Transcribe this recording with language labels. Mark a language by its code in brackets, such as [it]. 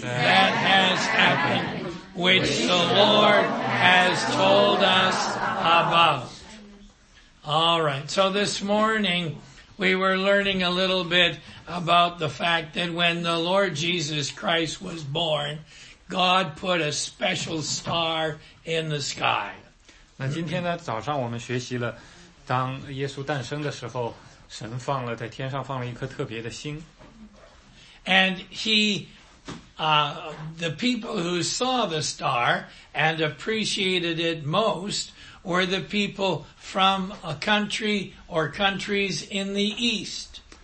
[en] that has happened, which the Lord has told us about. All right, so this morning we were learning a little bit about the fact that when the Lord Jesus Christ was born, God put a special star in the sky. [zh] 那今天呢，早上我们学习了，当耶稣诞生的时候，神放了在天上放了一颗特别的星。 [en] And he, the people who saw the star and appreciated it most were the people from a country or countries in the east.